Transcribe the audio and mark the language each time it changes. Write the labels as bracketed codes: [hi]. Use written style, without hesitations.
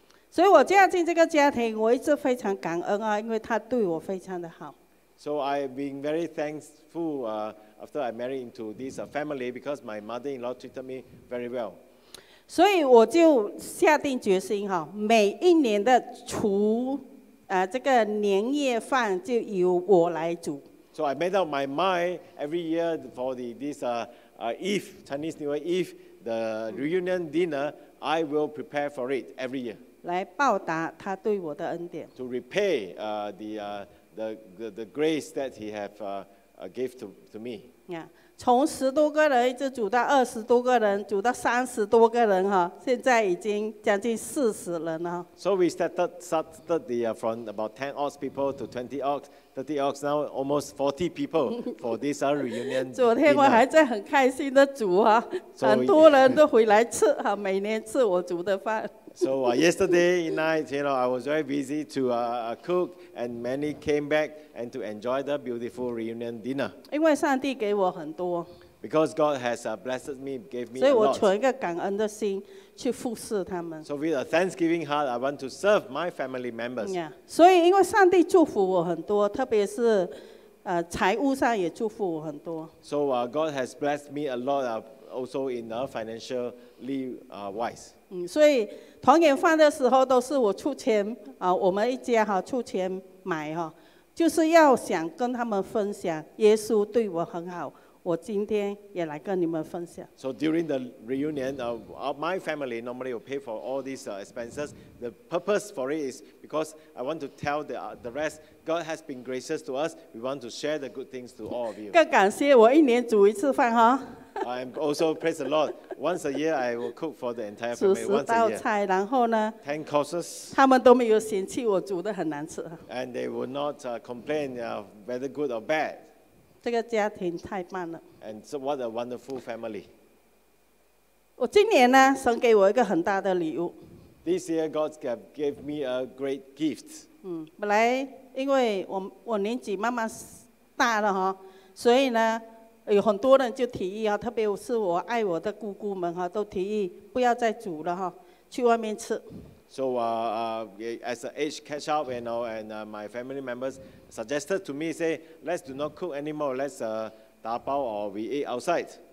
[zh] 所以我嫁进这个家庭，我一直非常感恩啊，因为她对我非常的好。 [en] So I've been very thankful. After I married into this family, because my mother-in-law treated me very well. [zh] 所以我就下定决心哈，每一年的除这个年夜饭就由我来煮。 [en] So I made up my mind every year for Eve, Chinese New Year Eve, the reunion dinner, I will prepare for it every year. [zh] 来报答他对我的恩典。 [en] To repay the grace that he have gave to me. [zh] 从十多个人一直煮到二十多个人，煮到三十多个人哈，现在已经将近四十人了。 [en] So we started the from about 10 odd people to 20 odd, 30 odd, now almost 40 people for this reunion. [zh] 昨天我还在很开心的煮哈，很多人都回来吃哈，每年吃我煮的饭。 [en] So yesterday night, you know, I was very busy to cook, and many came back and to enjoy the beautiful reunion dinner. [zh] 因为上帝给我很多。 [en] Because God has blessed me, gave me a lot. [zh] 所以我存一个感恩的心去服侍他们。 [en] So with a thanksgiving heart, I want to serve my family members. Yeah. [zh] 所以因为上帝祝福我很多，特别是财务上也祝福我很多。 [en] So God has blessed me a lot, also in financially wise. [zh] 所以团圆饭的时候都是我出钱我们一家哈出钱买哈，就是要想跟他们分享耶稣对我很好，我今天也来跟你们分享。 [en] So during the reunion, my family normally will pay for all these expenses. The purpose for it is because I want to tell the rest, God has been gracious to us. We want to share the good things to all of you. [zh] 更感谢我一年煮一次饭哈。 [en] I'm also praise the Lord. Once a year, I will cook for the entire family. Once a year. [zh] 煮十道菜，然后呢 [en] ？Ten courses. [zh] 他们都没有嫌弃我煮的很难吃。 [en] And they will not complain whether good or bad. [zh] 这个家庭太棒了。 [en] And so what a wonderful family. [zh] 我今年呢，神给我一个很大的礼物。 [en] This year, God gave me a great gift. [zh] 本来因为我年纪慢慢大了哈，所以呢。有很多人就提议啊，特别是我爱我的姑姑们哈，都提议不要再煮了哈，去外面吃。 [en] So as the age catch up, you know, and my family members suggested to me say, let's do not cook anymore, let's [zh] 打包 [en] or we eat outside.